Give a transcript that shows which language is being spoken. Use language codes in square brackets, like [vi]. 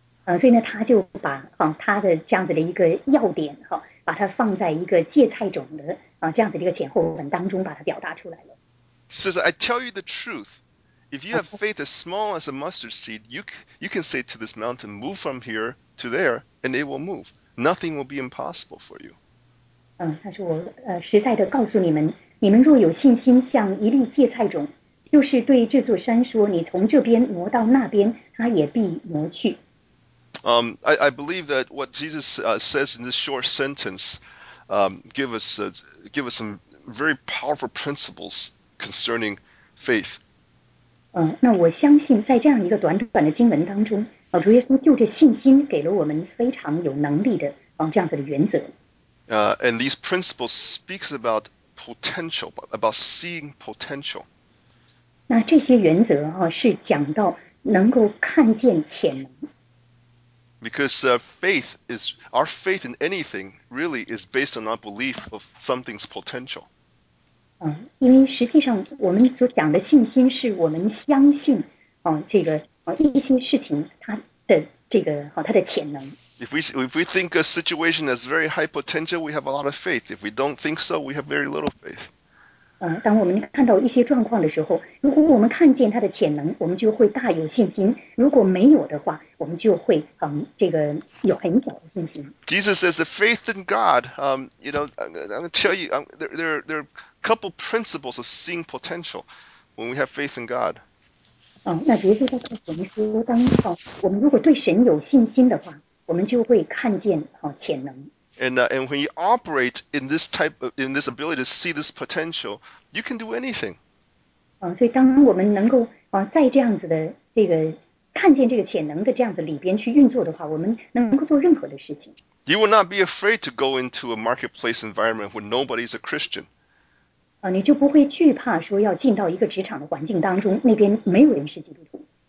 [zh] 所以呢，他就把他的这样子的一个要点把它放在一个芥菜种的这样子的一个前后文当中，把它表达出来了。 [en] Says, I tell you the truth, if you have faith as small as a mustard seed, you can say to this mountain, move from here to there, and it will move. Nothing will be impossible for you. [zh] 他说我实在的告诉你们，你们若有信心像一粒芥菜种，就是对这座山说，你从这边挪到那边，它也必挪去。 [en] I believe that what Jesus says in this short sentence give us some very powerful principles concerning faith. [zh] 那我相信在这样一个短短的经文当中，主耶稣就着信心给了我们非常有能力的这样子的原则。 [en] And these principles speaks about potential, about seeing potential. [zh] 那这些原则哈、啊、是讲到能够看见潜能。 [en] Because faith is our faith in anything really is based on our belief of something's potential. [zh] 嗯，因为实际上我们所讲的信心是我们相信啊这个啊一些事情它的这个啊它的潜能。 [en] If we think a situation has very high potential, we have a lot of faith. If we don't think so, we have very little faith. [zh] 当我们看到一些状况的时候，如果我们看见它的潜能，我们就会大有信心。如果没有的话，我们就会这个有很小的信心。 [en] Jesus says the faith in God. You know, I'm going to tell you, there are a couple principles of seeing potential when we have faith in God. [zh] 那耶稣在告诉我们说，当我们如果对神有信心的话。我们就会看见潜能。 [en] And when you operate in this type of, in this ability to see this potential, you can do anything. [zh] 所以当我们能够在这样子的这个看见这个潜能的这样子里边去运作的话，我们能够做任何的事情。 [en] You will not be afraid to go into a marketplace environment when nobody is a Christian. [zh] 你就不会惧怕说要进到一个职场的环境当中，那边没有人是基督徒。